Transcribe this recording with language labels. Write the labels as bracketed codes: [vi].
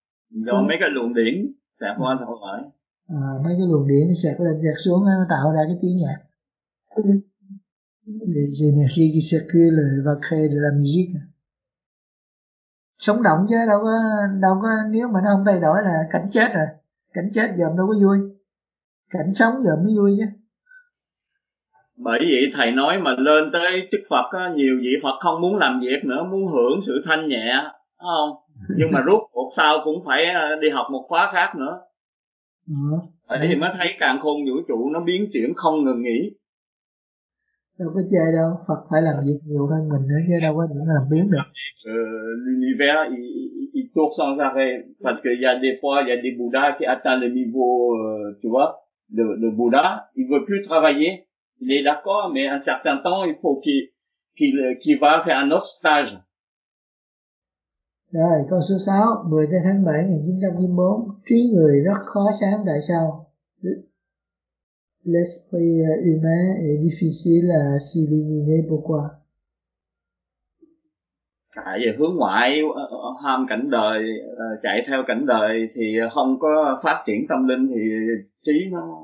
[vi] Do mấy cái luồng điển sạc hoa sạc hỏi mấy cái luồng điển sạc lên sạc xuống nó tạo ra cái tiếng nhạc. [fr] Les énergies qui circulent va créer de la musique. [vi] Sống động chứ đâu có nếu mà nó không thay đổi là cảnh chết rồi. Cảnh chết giờ đâu có vui. Cảnh sống giờ mới vui chứ. Bởi vậy thầy nói mà lên tới chức Phật á, nhiều vị Phật không muốn làm việc nữa, muốn hưởng sự thanh nhẹ, đúng không? Nhưng mà rút cuộc sau cũng phải đi học một khóa khác nữa. Thì mới thấy càng khôn vũ trụ nó biến chuyển không ngừng nghỉ. Đâu có chơi đâu, Phật phải làm việc nhiều hơn mình nữa chứ đâu có những làm biến được. [fr] L'univers il tourne sans arrêt parce qu'il y a des fois il y a des bouddhas qui atteint le niveau tu vois de bouddha, il veut plus travailler, il est d'accord mais un certain temps il faut qu'il va faire un autre stage. [vi] Rồi, câu số 6, 10 tháng 7 1994, trí người rất khó sáng, tại sao? [fr] L'esprit humain est difficile à s'illuminer, pourquoi? [vi] Tại vì hướng ngoại, ham cảnh đời, chạy theo cảnh đời thì không có phát triển tâm linh thì trí nó...